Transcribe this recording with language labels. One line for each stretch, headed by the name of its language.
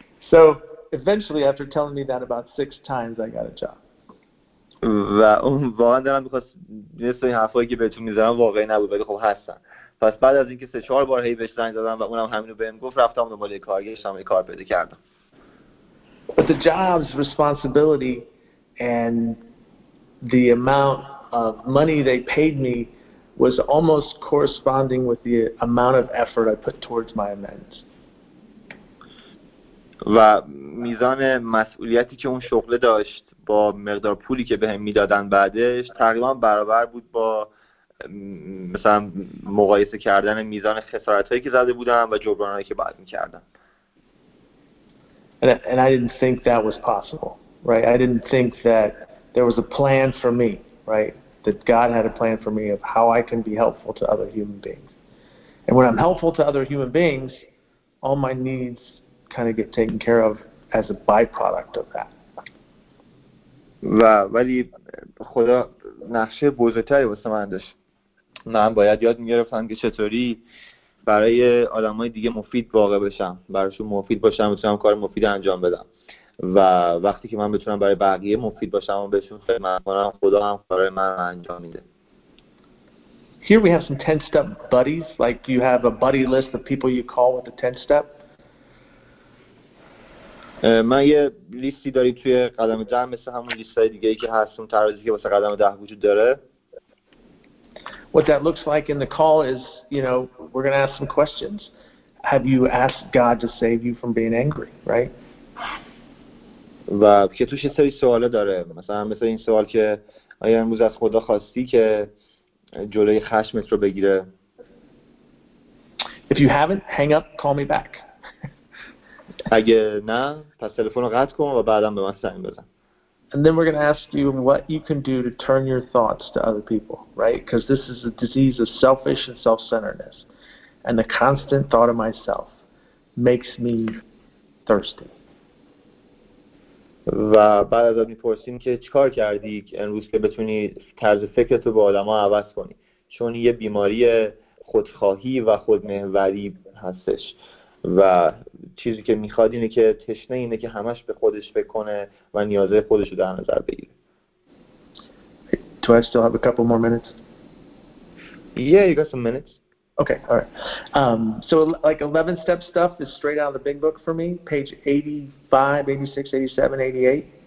English: So eventually, after telling me that about 6 times, I got a job.
Persian: و اون واقعا دارم میخواست نیست این حرفایی که بهتون میزنم واقعی نبود، ولی خب هستن. پس بعد از اینکه 3-4 بار هی بهش زنگ زدم و اونم همینو بهم گفت، رفتم دنبال یه کار، گشتم یه کار پیدا کردم.
English: But the job's responsibility and the amount of money they paid me was almost corresponding with the amount of effort I put towards my amends.
Persian: و میزان مسئولیتی که اون شغل داشت با مقدار پولی که بهم میدادن بعدش تقریبا برابر بود با مثلا مقایسه کردن میزان خسارتایی که زده بودم و جبرانایی که بعد می‌کردم.
English: And I didn't think that was possible, right? I didn't think that there was a plan for me, right? That God had a plan for me of how I can be helpful to other human beings. And when I'm helpful to other human beings, all my needs kind of get taken care of as a byproduct of that.
Persian: ولی خدا نقشه بزرگتری واسه من داشت. من باید یاد میگرفتم که چطوری برای آدم های دیگه مفید واقع بشم، براشون مفید باشم، بتونم کار مفید انجام بدم. و وقتی که من بتونم برای بقیه مفید باشم و بهشون خدمت کنم، خدا هم کارهای من رو انجام میده.
English: Here we have some 10 step buddies. Like you have a buddy list of people you call with the 10 step.
Persian: من یه لیستی داریم توی قدم 10 مثل همون لیستای دیگه‌ای که هست، اون ترازی که واسه قدم 10 وجود داره.
English: What that looks like in the call is, you know, we're going to ask some questions. Have you asked God to save you from being angry, right?
Persian: و که توش یه سری سوال داره. مثلا این سوال که آیا امروز از خدا خواستی که جلوی خشمت رو بگیره.
English: If you haven't, hang up, call me back.
Persian: اگه نه، پس تلفن رو قطع کن و بعدم به من زنگ بزن.
English: And then we're going to ask you what you can do to turn your thoughts to other people, right? Because this is a disease of selfish and self-centeredness. And the constant thought of myself makes me thirsty.
Persian: و بعد از اون میپرسیم که چیکار کردی امروز که بتونی طرز فکرتو با آدما عوض کنی، چون یه بیماری خودخواهی و خودمحوری هستش و چیزی که میخواد اینه که تشنه اینه که همش به خودش بکنه و نیازه خودش رو در نظر بگیره.
English: Do I still have a couple more minutes? Yeah, you got some minutes. Okay, all right. So like 11 step stuff is straight out of the big book for me, page 85, 86, 87, 88.